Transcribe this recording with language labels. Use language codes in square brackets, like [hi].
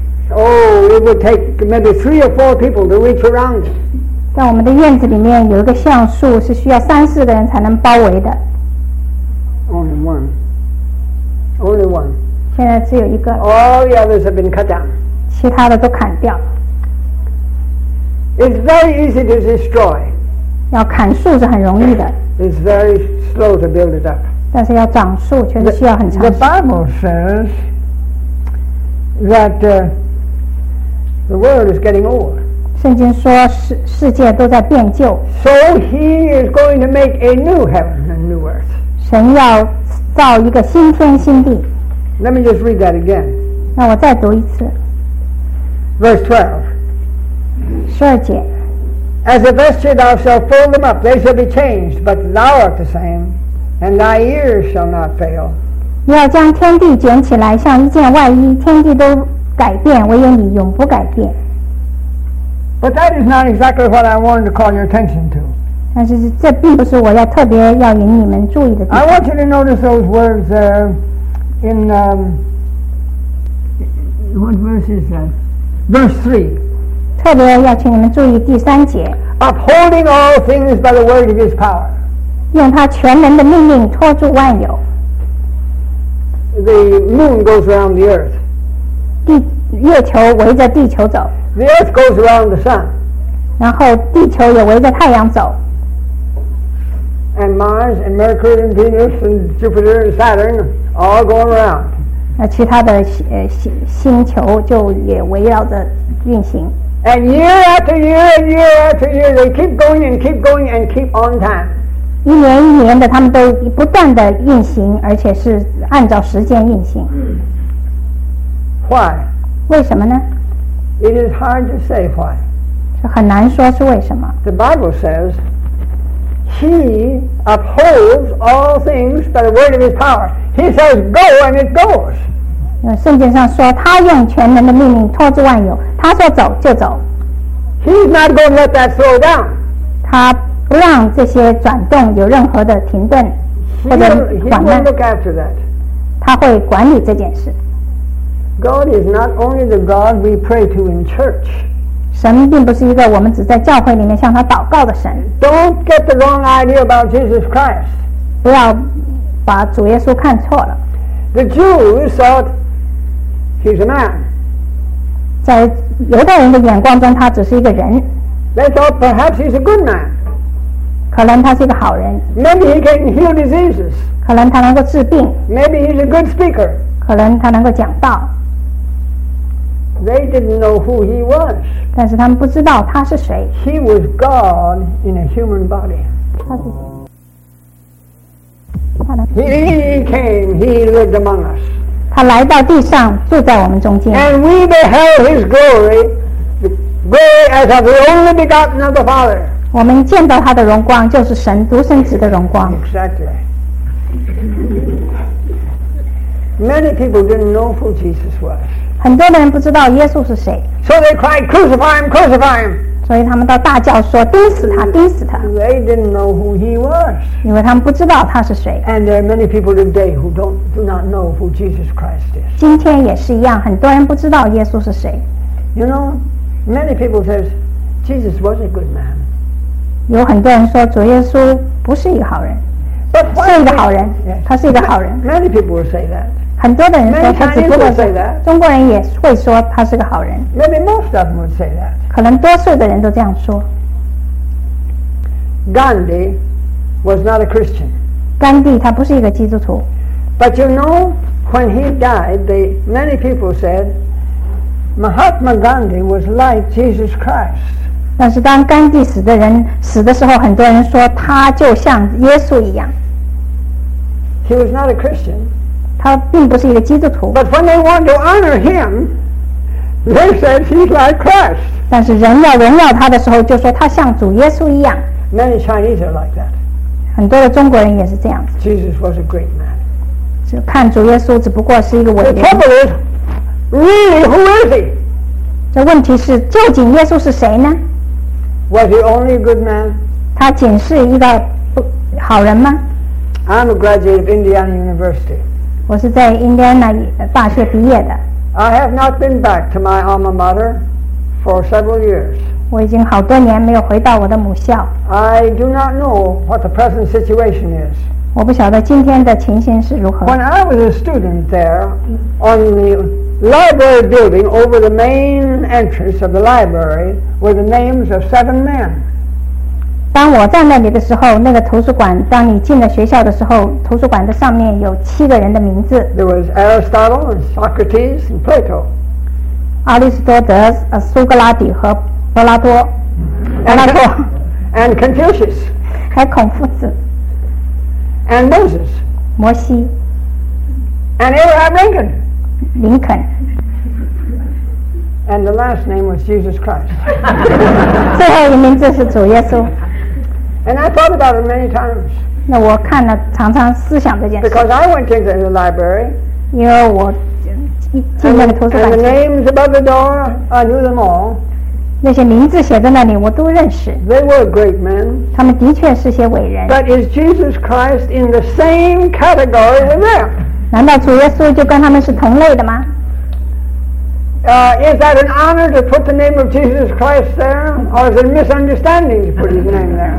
[en] Oh, it would take maybe three or four people to reach around it. [zh] 在我们的院子里面有一个橡树是需要三四个人才能包围的。 [en] Only one. [zh] 现在只有一个。 [en] All the others have been cut down. [zh] 其他的都砍掉。 [en] It's very easy to destroy. [zh] 要砍树是很容易的。 [en] It's very slow to build it up. [zh] 但是要长树却是需要很长时间。 [en] The Bible says that the world is getting old. [zh] 圣经说世界都在变旧。 [en] So he is going to make a new heaven and new earth. [zh] 神要造一个新天新地。 [en] Let me just read that again. [zh] 那我再读一次。 [en] Verse 12. [zh] 十二节。 [en] As a vesture thou shalt fold them up, they shall be changed, but thou art the same, and thy years shall not fail. [zh] 你要将天地卷起来，像一件外衣，天地都改变，唯有你永不改变。 [en] But that is not exactly what I wanted to call your attention to. [zh] 但是这并不是我要特别要引你们注意的地方。 [en] I want you to notice those words there in what verse is that? Verse 3. [zh] 特别要请你们注意第三节。 [en] Upholding all things by the word of his power. [zh] 用他全能的命令托住万有。 [en] The moon goes around the earth. [zh] 月球围着地球走。 [en] The earth goes around the sun. [zh] 然后地球也围着太阳走。 [en] And Mars and Mercury and Venus and Jupiter and Saturn all going around. [zh] 那其他的星球就也围绕着运行。 [en] And year after year and year after year, they keep going and keep going and keep on time. [zh] 一年一年的，他们都不断的运行，而且是按照时间运行。 [en] Why? [zh] 为什么呢？ [en] It is hard to say why. [zh] 是很难说是为什么。 [en] The Bible says. He upholds all things by the word of his power. He says, "Go," and it goes. [zh] 因为圣经上说，他用全能的命令托住万有。他说走就走。 [en] He's not going to let that slow down. [zh] 他不让这些转动有任何的停顿或者缓慢。 [en] He will look after that. [zh] 他会管理这件事。 [en] God is not only the God we pray to in church. [zh] 神并不是一个我们只在教会里面向他祷告的神。 [en] Don't get the wrong idea about Jesus Christ. [zh] 不要把主耶稣看错了。 [en] The Jews thought he's a man. [zh] 在犹太人的眼光中，他只是一个人。 [en] They thought perhaps he's a good man. [zh] 可能他是一个好人。 [en] Maybe he can heal diseases. [zh] 可能他能够治病。 [en] Maybe he's a good speaker. [zh] 可能他能够讲道。 [en] They didn't know who he was. [zh] 但是他们不知道他是谁。 [en] He was God in a human body. He came, he lived among us. [zh] 他来到地上，住在我们中间。 [en] And we beheld his glory, the glory as of the only begotten of the Father. [zh] 我们见到他的荣光，就是神独生子的荣光。 [en] Exactly. Many people didn't know who Jesus was. [zh] 很多的人不知道耶稣是谁。 [en] So they cried, "Crucify him! Crucify him!" [zh] 所以他们都大叫说，钉死他，钉死他。 [en] They didn't know who he was. [zh] 因为他们不知道他是谁。 [en] And there are many people today who do not know who Jesus Christ is. [zh] 今天也是一样，很多人不知道耶稣是谁。 [en] You know, many people say Jesus was a good man. [zh] 有很多人说主耶稣不是一个好人，是一个好人，他是一个好人。 [en] Many people will say that. [zh] 很多的人说他只不过是中国人也会说他是个好人。 [en] Maybe most of them would say that. [zh] 可能多数的人都这样说。 [en] Gandhi was not a Christian. [zh] 甘地他不是一个基督徒。 [en] But you know, when he died, many people said Mahatma Gandhi was like Jesus Christ. [zh] 但是当甘地死的人死的时候，很多人说他就像耶稣一样。 [en] He was not a Christian. [zh] 他并不是一个基督徒。 [en] But when they want to honor him, they said he's like Christ. [zh] 但是人要荣耀他的时候，就说他像主耶稣一样。 [en] Many Chinese are like that. [zh] 很多的中国人也是这样子。 [en] Jesus was a great man. [zh] 就看主耶稣只不过是一个伟人。 [en] The trouble is, really, who is he? [zh] 这问题是究竟耶稣是谁呢？ [en] Was he only a good man? [zh] 他仅是一个好人吗？ [en] I'm a graduate of Indiana University. [zh] 我是在 Indiana 大学毕业的。 [en] I have not been back to my alma mater for several years. [zh] 我已经好多年没有回到我的母校。 [en] I do not know what the present situation is. [zh] 我不晓得今天的情形是如何。 [en] When I was a student there on the library building over the main entrance of the library were the names of seven men. [zh] 当我在那里的时候，那个图书馆，当你进了学校的时候，图书馆的上面有七个人的名字。 [en] There was Aristotle and Socrates and Plato. [zh] 阿里斯多德、苏格拉底和柏拉多。柏拉多。 [en] And Confucius. [zh] 还孔夫子。 [en] And Moses. [zh] 摩西。 [en] And Abraham Lincoln. [zh] 林肯。 [en] And the last name was Jesus Christ. [zh] 最后一名字是主耶稣。 [en] And I thought about it many times. [zh] 那我看了常常思想这件事。 [en] Because I went into the library. [zh] 因为我进那个图书馆。 [en] And the names above the door, I knew them all. [zh] 那些名字写在那里，我都认识。 [en] They were great men. [zh] 他们的确是些伟人。 [en] But is Jesus Christ in the same category as them? [zh] 难道主耶稣就跟他们是同类的吗？ [en] Is that an honor to put the name of Jesus Christ there, or is it a misunderstanding to put his name there?